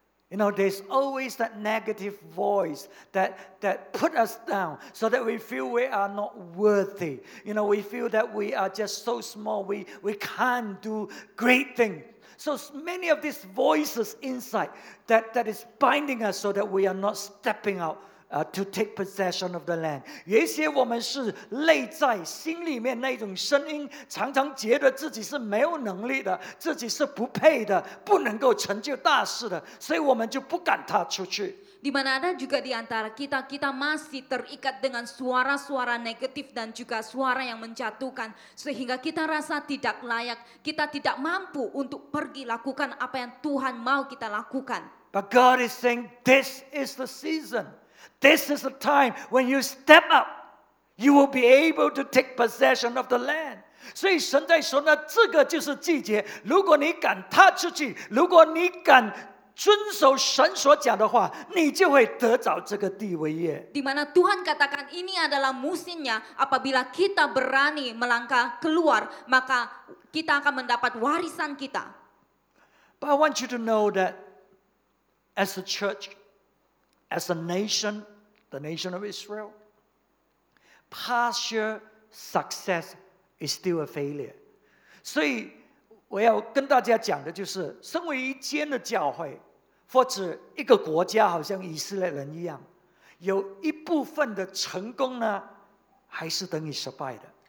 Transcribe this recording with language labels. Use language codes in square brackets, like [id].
[en] You know, there's always that negative voice that put us down so that we feel we are not worthy. You know, we feel that we are just so small, we can't do great things. So many of these voices inside that is binding us so that we are not stepping out to take possession of the land. [zh] 有一些我们是内在心里面那种声音，常常觉得自己是没有能力的，自己是不配的，不能够成就大事的，所以我们就不敢踏出去。 [id] Di mana ada juga di antara kita, kita masih terikat dengan suara-suara negatif dan juga suara yang menjatuhkan, sehingga kita rasa tidak layak, kita tidak mampu untuk pergi lakukan apa yang Tuhan mau kita lakukan. [en] But God is saying, this is the season. This is the time when you step up, you will be able to take possession of the land. [zh] 所以神在说呢，这个就是季节。如果你敢踏出去，如果你敢遵守神所讲的话，你就会得着这个地为业。 [id] Di mana Tuhan katakan ini adalah musimnya, apabila kita berani melangkah keluar, maka kita akan mendapat warisan kita. [en] But I want you to know that as a church,As a nation, the nation of Israel, partial success is still a failure. [zh] 所以我要跟大家讲的就是，身为一间的教会，或者一个国家，好像以色列人一样，有一部分的成功呢，还是等于失败的。